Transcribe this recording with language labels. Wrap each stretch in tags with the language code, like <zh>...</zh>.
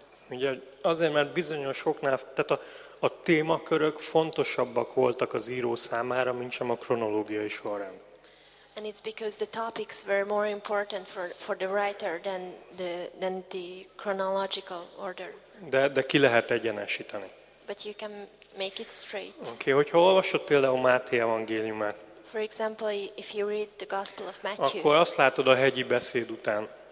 <hu>Ugye azért, mert bizonyos oknál, tehát a témakörök fontosabbak voltak az író számára, mint sem a kronológiai sorrend.</hu> <en>And it's because the topics were more important for the writer than the chronological order.</en> <hu>De ki lehet egyenesíteni?</hu> <en>But you can make it straight.</en> <hu>Okay, hogyha olvasod például Máté evangéliumát.</hu> <en>For example, if you read the Gospel of Matthew.</en> <hu>Akkor azt látod a hegyi beszéd után.</hu>